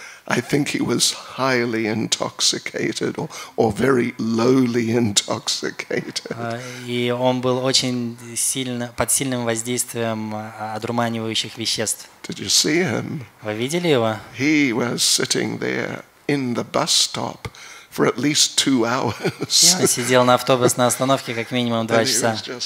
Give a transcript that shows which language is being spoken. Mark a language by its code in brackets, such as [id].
[en] I think he was highly intoxicated or very lowly intoxicated. [ru] И он был очень сильно под сильным воздействием одурманивающих веществ. [en] Did you see him? [ru] Вы видели его? [en] He was sitting there in the bus stop for at least 2 hours. [ru] Он сидел на автобусной остановке как минимум 2 часа.